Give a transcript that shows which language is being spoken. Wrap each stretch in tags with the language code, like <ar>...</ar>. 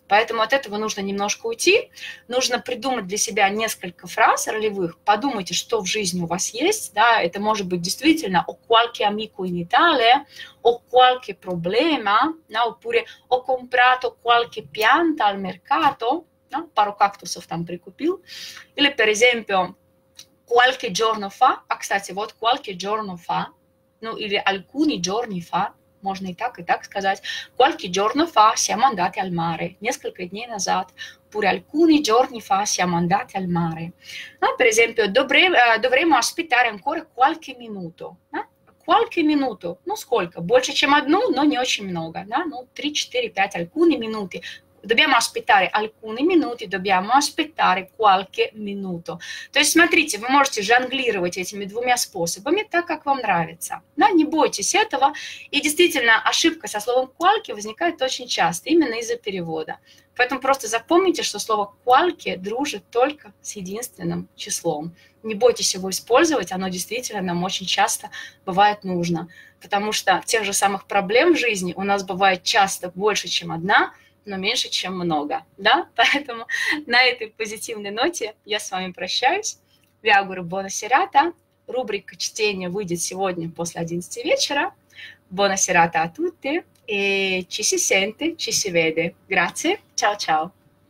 <ru>Поэтому от этого нужно немножко уйти, нужно придумать для себя несколько фраз ролевых, подумайте, что в жизни у вас есть, да, это может быть действительно</ru> <it>«o qualche amico in Italia», «o qualche problema»,</it> <ru>да, oppure</ru> <it>«ho comprato qualche pianta al mercato»,</it> <ru>да, пару кактусов там прикупил, или,</ru> <it>per esempio, «qualche giorno fa»,</it> <ru>а, кстати, вот «qualche giorno fa», ну, или</ru> <it>«alcuni giorni fa»,</it> <ru>можно и так сказать.</ru> <it>Qualche giorno fa siamo andati al mare.</it> <ru>Несколько дней назад.</ru> <it>Pure alcuni giorni fa siamo andati al mare. No, per esempio, dovremo aspettare ancora qualche minuto. No? Qualche minuto.</it> <ru>Ну, сколько? Больше, чем одну, но не очень много.</ru> <it>No? Ну, 3, 4, 5, alcuni minuti. Dobbiamo aspettare alcuni minuti, dobbiamo aspettare qualche minuto.</it> <ru>То есть, смотрите, вы можете жонглировать этими двумя способами так, как вам нравится. Да, не бойтесь этого. И действительно, ошибка со словом qualche возникает очень часто, именно из-за перевода. Поэтому просто запомните, что слово qualche дружит только с единственным числом. Не бойтесь его использовать, оно действительно нам очень часто бывает нужно. Потому что тех же самых проблем в жизни у нас бывает часто больше, чем одна, но меньше, чем много, да? Поэтому на этой позитивной ноте я с вами прощаюсь.</ru> <it>Vi auguro buona serata.</it> <ru>Рубрика чтения выйдет сегодня после 11 вечера.</ru> <it>Buona serata a tutti. E ci si sente, ci si vede. Grazie. Ciao-ciao.</it>